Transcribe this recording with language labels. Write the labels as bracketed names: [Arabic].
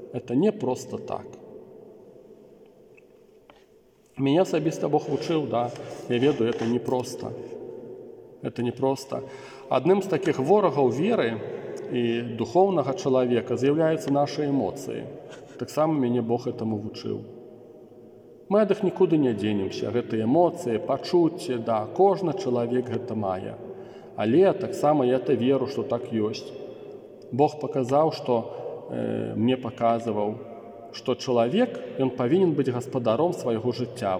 [Russian] Это не просто так. [Belarusian] Мене асабіста Бог вучыў, да. Я ведаю, [Russian] это не просто. Это не просто. [Belarusian] Адным з такіх ворагаў веры і духовнага чалавека з'яўляюцца нашы эмоцыі. Таксама мене Бог этому вучыў. Мы ад іх нікуды не дзенемся. Гэта эмоцыі, пачуцці, да, кожны чалавек гэта мае. Але таксама я то веру, што так ёсць. Бог паказаў, што мне паказаваў, што чалавек, ён павінен быць гаспадаром свайго жыцця.